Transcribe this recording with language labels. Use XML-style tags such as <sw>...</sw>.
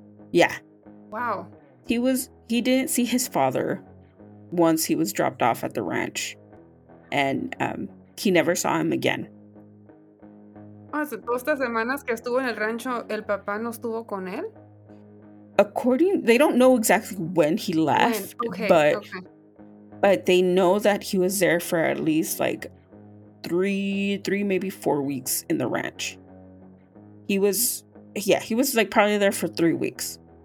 <en>He didn't see his father once he was dropped off at the ranch, and he never saw him again.</en> <es>Hace 2 semanas que estuvo en el rancho, el papá no estuvo con él.</es> <en>They don't know exactly when he left, but they know that he was there for at least like three, maybe 4 weeks in the ranch. He was probably there for 3 weeks.</en>